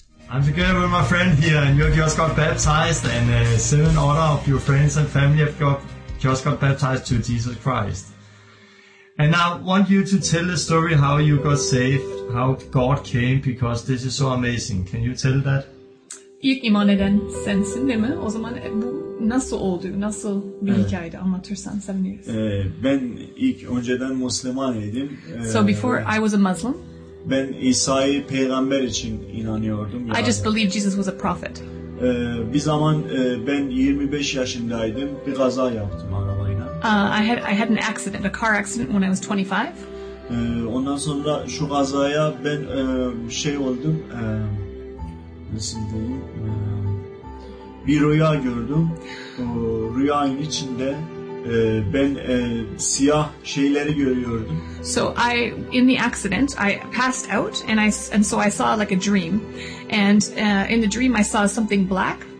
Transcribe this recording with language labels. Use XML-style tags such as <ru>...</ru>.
<en>I'm together with my friend here, and you just got baptized, and seven other of your friends and family have just got baptized to Jesus Christ. And I want you to tell the story how you got saved, how God came, because this is so amazing. Can you tell that?</en> <tr>İlk iman eden sensin değil mi? O zaman bu nasıl oldu? Nasıl bir hikayeydi? Anlatırsan seviniriz. Ben ilk önceden Müslümanydım.</tr> <en>So before I was a Muslim.</en> <tr>Ben İsa'yı peygamber için inanıyordum.</tr> <en>I just believed Jesus was a prophet.</en> <tr>Bir zaman ben 25 yaşındaydım. Bir kaza yaptım arabayla.</tr> <en>I had an accident, a car accident when I was 25.</en> <tr>Ondan sonra şu kazaya ben şey oldum. Nasıl diyeyim? Bir rüya gördüm. Rüyanın içinde ben siyah şeyleri görüyordum.</tr> <en>So I, in the accident, I passed out, and so I saw like a dream, and in the dream I saw something black.</en>